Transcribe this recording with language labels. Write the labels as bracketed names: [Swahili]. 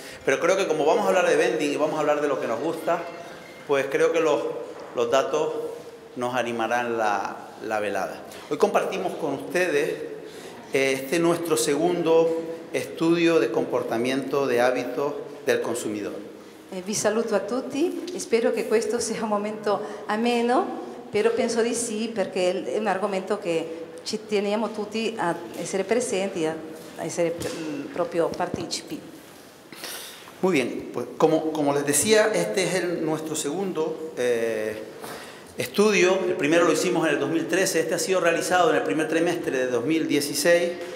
[Spanish] Pero creo que como vamos a hablar de vending y vamos a hablar de lo que nos gusta, pues creo que los datos nos animarán la velada. Hoy compartimos con ustedes este nuestro segundo estudio de comportamiento de hábitos del consumidor. [Italian] Vi saluto a tutti, spero che questo sia un momento ameno, però penso di sì perché è un argomento che ci teniamo tutti a essere presenti, a essere proprio partecipi. [Spanish] Muy bien, pues como les decía, este es nuestro segundo estudio, el primero lo hicimos en el 2013, este ha sido realizado en el primer trimestre de 2016.